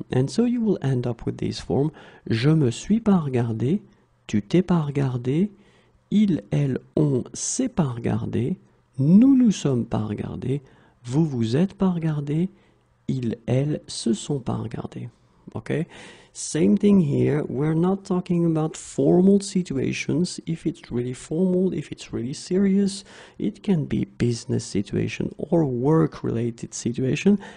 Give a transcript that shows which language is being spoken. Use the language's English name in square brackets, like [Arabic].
[English] And so you will end up with this form. [French] Je me suis pas regardé. Tu t'es pas regardé. Il, elle, on s'est pas regardé. Nous nous sommes pas regardés. Vous vous êtes pas regardés. Ils, elles se sont pas regardés. [English] OK? Same thing here. We're not talking about formal situations. If it's really formal, if it's really serious, it can be business situation or work-related situation.